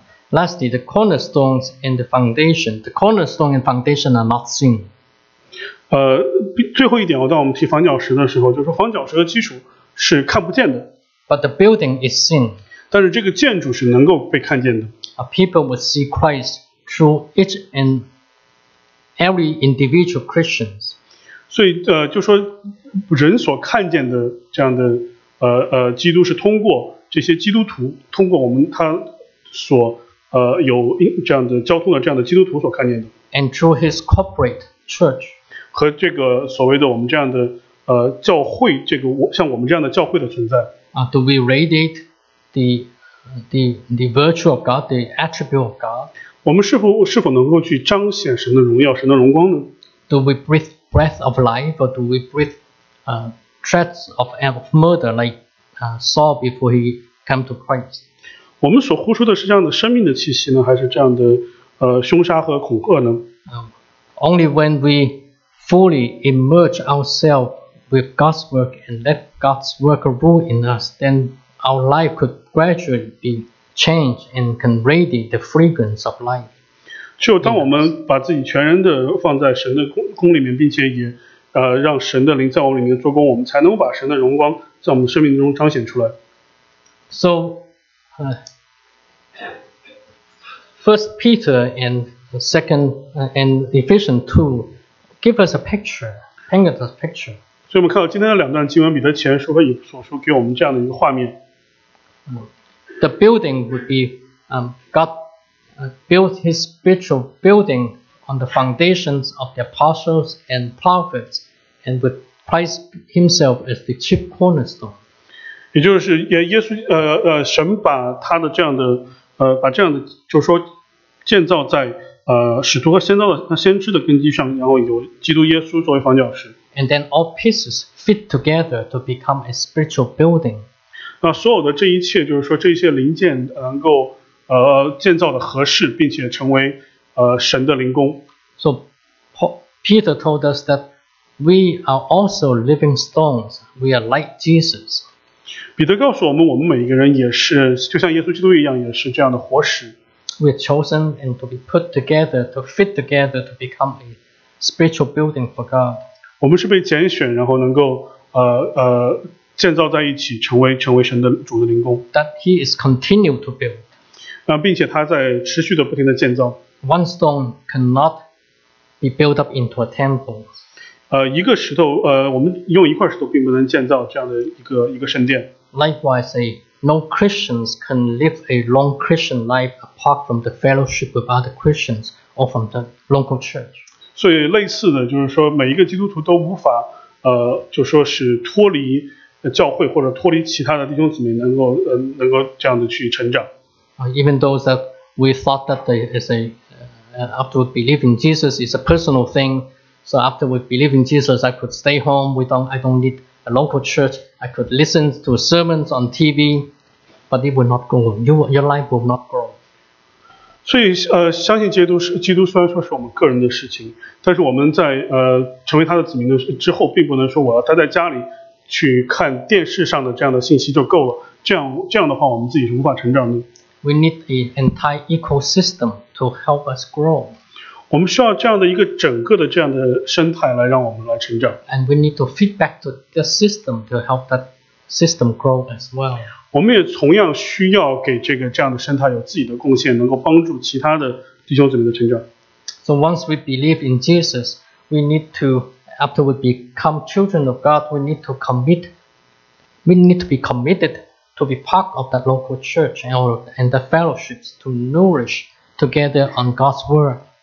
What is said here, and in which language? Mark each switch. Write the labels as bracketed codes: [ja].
[en] Lastly, the cornerstones and the foundation. The cornerstone and foundation are not sin. [zh] 最后一点，当我们提房角石的时候，就是说房角石的基础是看不见的。 [en] But the building is seen. [zh] 但是这个建筑是能够被看见的。 [en] A people would see Christ through each and every individual Christians. [zh] 所以就说人所看见的这样的基督是通过这些基督徒，通过我们他所有这样的交通的这样的基督徒所看见的。 [en] And through his corporate church. [zh] 和这个所谓的我们这样的教会，这个像我们这样的教会的存在。 [en] Do we radiate the virtue of God, the attribute of God? [zh] 我们是否能够去彰显神的荣耀、神的荣光呢？ [en] Do we breathe breath of life, or do we breathe threats of murder like Saul before he came to Christ? [zh] 我们所呼出的是这样的生命的气息呢，还是这样的凶杀和恐吓呢？ [en] Only when we fully immerse ourselves with God's work and let God's work rule in us, then our life could gradually be changed and can radiate the fragrance of life. [zh] 只有当我们把自己全然的放在神的宫里面，并且也让神的灵在我们里面做工，我们才能把神的荣光在我们生命中彰显出来。 [en] So, First Peter and Second and Ephesians 2 give us a picture, paint us a picture. [zh] 所以我们看到今天的两段经文，彼得前书和以弗所书给我们这样的一个画面。 [en] The building would be God built his spiritual building on the foundations of the apostles and prophets and with Christ himself as the chief cornerstone. [zh] 也就是耶稣神把他的这样的把这样的就是说建造在使徒和先知的根基上，然后有基督耶稣作为房角石。 [en] And then all pieces fit together to become a spiritual building. [zh] 那所有的这一切，就是说这些零件能够建造的合适，并且成为神的灵宫。 [en] So Peter told us that we are also living stones. We are like Jesus. [zh] 彼得告诉我们，我们每一个人也是，就像耶稣基督一样，也是这样的活石。 [en] We are chosen and to be put together to fit together to become a spiritual building for God. [zh] 我们是被拣选，然后能够建造在一起，成为神的主的灵宫。 [en] That He is continue to build. [zh] 并且他在持续的不停的建造。 [en] One stone cannot be built up into a temple. [zh] 一个石头我们用一块石头并不能建造这样的一个圣殿。 [en] Likewise, No Christians can live a long Christian life apart from the fellowship with other Christians or from the local church. [zh] 所以类似的，就是说每一个基督徒都无法，就说是脱离教会或者脱离其他的弟兄姊妹，能够这样的去成长。 [en] Even though that we thought that after we believe in Jesus is a personal thing, so after we believe in Jesus, I could stay home. I don't need. A local church, I could listen to sermons on TV, but it will not go. Your life will not grow. [zh] 所以相信基督虽然说是我们个人的事情，但是我们在成为他的子民的之后，并不能说我要待在家里去看电视上的这样的信息就够了。这样的话，我们自己是无法成长的。 [en] We need an entire ecosystem to help us grow. [zh] 我们需要这样的一个整个的这样的生态来让我们来成长。 [en] And we need to feed back to the system to help that system grow as well. [zh] 我们也同样需要给这个这样的生态有自己的贡献，能够帮助其他的弟兄姊妹的成长。 [en] So once we believe in Jesus, we need to, after we become children of God, we need to commit, we need to be committed to be part of that local church and the fellowships to nourish together on God's word.